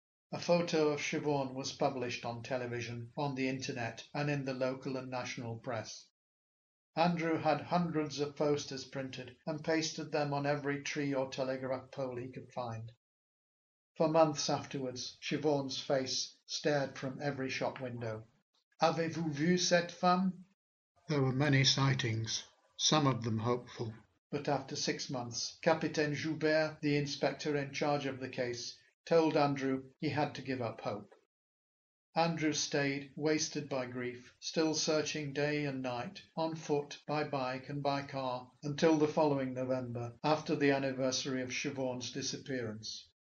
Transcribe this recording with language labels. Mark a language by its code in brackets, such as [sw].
[en] A photo of Siobhan was published on television, on the internet, and in the local and national press. Andrew had hundreds of posters printed and pasted them on every tree or telegraph pole he could find. For months afterwards, Siobhan's face stared from every shop window. [fr] Avez-vous vu cette femme? [en] There were many sightings, some of them hopeful. But after 6 months, Capitaine Joubert, the inspector in charge of the case, told Andrew he had to give up hope. Andrew stayed, wasted by grief, still searching day and night, on foot, by bike and by car, until the following November, after the anniversary of Siobhan's disappearance.